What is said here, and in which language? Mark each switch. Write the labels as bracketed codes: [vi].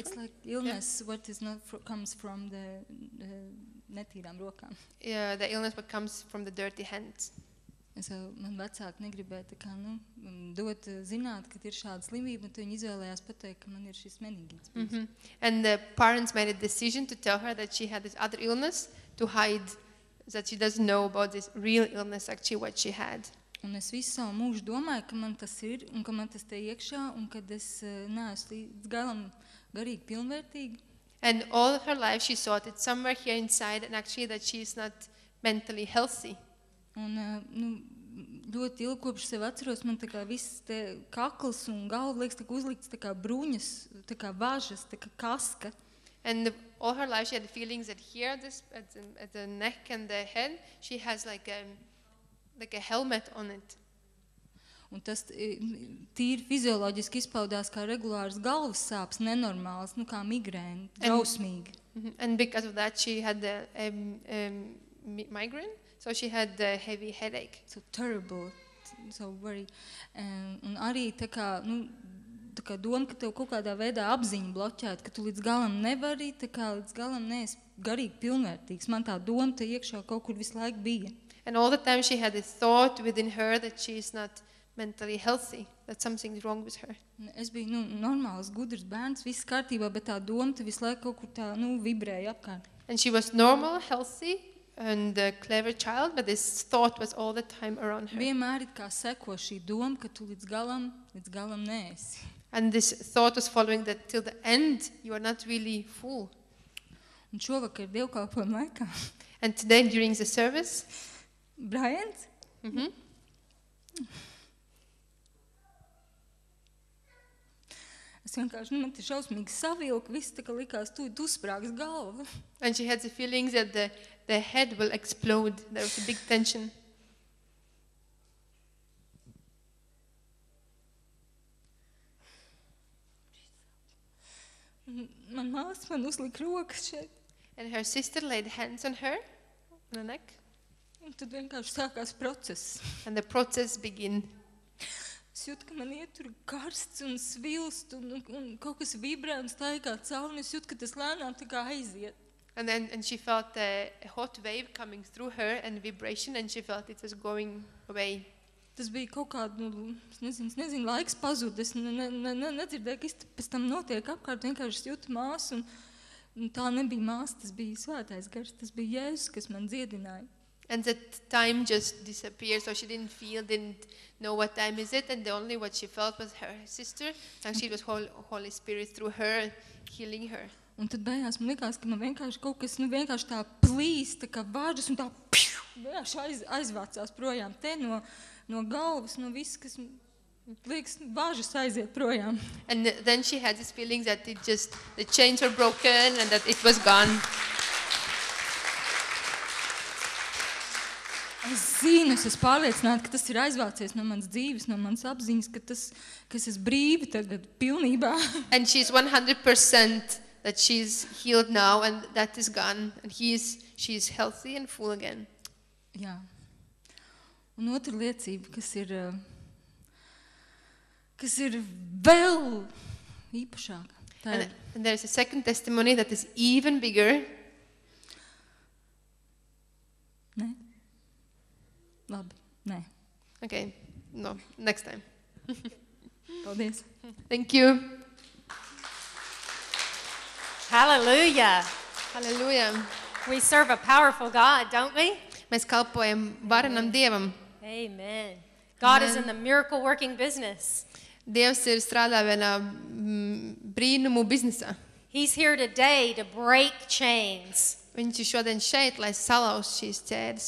[en] It's like illness what is not comes from the [lv] netīrām rokām. [en] Yeah, the illness what comes from the dirty hands. [lv] So man vecāki negribēja tā kā, nu, dot zināt, ka ir šāda slimība, un tu viņi izvēlējās pateikt, ka man ir šis meningīts. Mm-hmm. [en] And the parents made a decision to tell her that she had this other illness to hide that she doesn't know about this real illness actually what she had. [lv] Un es visu savu mūžu domāju, ka man tas ir un ka man tas te iekšā un kad es neesmu līdz galam garīgi pilnvērtīga. [en] And all her life she thought it somewhere here inside and actually that she is not mentally healthy. [lv] Un nu ļoti ilgi kopš sev atceros, man tā kā viss te kakls un galva liekas tā kā uzlikts tā kā brūņas, tā kā važas, tā kā kaska. [en] And all her life she had the feelings that here this at the neck and the head she has like a helmet on it. [lv] Un tas tīri fizioloģiski izpaudās kā regulārs galvas sāps, nenormāls, nu kā migrēna, drausmīgi. [en] And because of that she had migraine, so she had a heavy headache. So terrible, so very. [lv] Un arī tā kā, nu, tā kā doma, ka tev kaut kādā veidā apziņa bloķēt, ka tu līdz galam nevari, tā kā līdz galam neesi garīgi pilnvērtīgs. Man tā doma te iekšā kaut kur visu laiku bija. [en] And all the time she had a thought within her that she is not mentally healthy, that something is wrong with her. [lv] Es biju, nu, normāls, gudrs bērns, viss kārtībā, bet tā doma te visu laiku kaut kur tā, nu, vibrēja apkārt. [en] And she was normal, healthy and a clever child, but this thought was all the time around her. [lv] Vienmēr it kā seko šī doma, ka tu līdz galam neesi. [en] And this thought was following that till the end you are not really full. [lv] Un šovakar dievkalpojuma laikā. [en] And today during the service. Bryant? Mm-hmm. [lv] Es vienkārši, nu, man te šausmīgi savilka, viss tā kā likās, tu uzsprāgs galva. [en] And she had the feelings that the head will explode. There was a big tension. [lv] Man mās man uzlika rokas šeit. [en] And her sister laid hands on her, on her neck. [lv] Un tad vienkārši sākās process. [en] And the process begin. [lv] Es jūtu, ka man ietur karsts un svilst un kaut kas vibrē un staigā cauri. Es jūtu, ka tas lēnām tā kā aiziet. [en] And then and she felt a hot wave coming through her and vibration and she felt it was going away. [lv] Tas bija kaut kāda, nu, es nezinu, laiks pazūd. Es nedzirdēju, kas pēc tam notiek apkārt. Vienkārši es jūtu māsu un tā nebija māsa, tas bija svētais gars. Tas bija Jēzus, kas man dziedināja. [en] And that time just disappeared, so she didn't feel, didn't know what time is it, and the only what she felt was her sister, and she was Holy Spirit through her, healing her. [lv] Un tad beigās man likās, ka man vienkārši kaut kas, nu, vienkārši tā plīst, tā kā vārdas, un tā pšu, vienkārši aizvācās projām te no galvas, no viss, kas liekas, vārdas aiziet projām. [en] And then she had this feeling that it just, the chains were broken, and that it was gone. [lv] Es zinu, es pārliecināti, ka tas ir aizvācies no manas dzīves, no manas apziņas, ka tas, kas es brīvi tagad pilnībā. [en] And she's 100% that she's healed now and that is gone and she's healthy and full again. [lv] Jā. Un otra liecība, kas ir vēl īpašāka. [en] And there's a second testimony that is even bigger. [lv] Nē. Labi, nē. [en] Ok, no, next time. [lv] Paldies. [en] Thank you. Hallelujah. Hallelujah. We serve a powerful God, don't we? [lv] Mēs kalpojam varenam Dievam. [en] Amen. God Amen. Is in the miracle working business. [lv] Dievs ir strādā vienā brīnumu biznesā. [en] He's here today to break chains. [lv] Viņš ir šodien šeit, lai salauz šīs ķēdes,